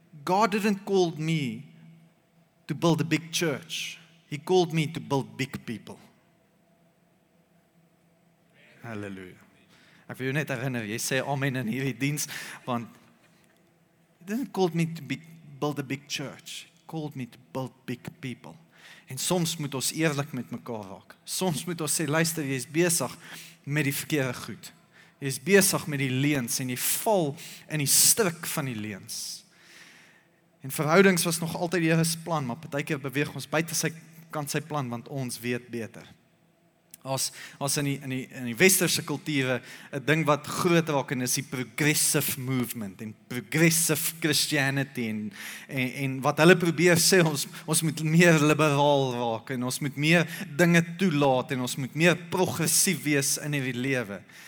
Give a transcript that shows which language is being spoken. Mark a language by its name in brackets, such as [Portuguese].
[English] God didn't call me to build a big church. He called me to build big people. [Afrikaans] Halleluja. Ek wil jou net herinner, jy sê amen in hierdie diens, want [English] He didn't call me to build a big church. He called me to build big people. [Afrikaans] En soms moet ons eerlik met mekaar raak. Soms moet ons sê, luister, jy is besig met die verkeerde goed. Jy is besig met die leuens en jy val in die struik van die leuens. En verhoudings was nog altyd die Here se plan, maar partykeer beweeg ons buite sy kant sy plan, want ons weet beter. As in die westerse kulture, 'n ding wat groot raak, en is die progressive movement, en progressive Christianity, en wat hulle probeer sê, ons moet meer liberaal raak, en ons moet meer dinge toelaat, en ons moet meer progressief wees in die lewe.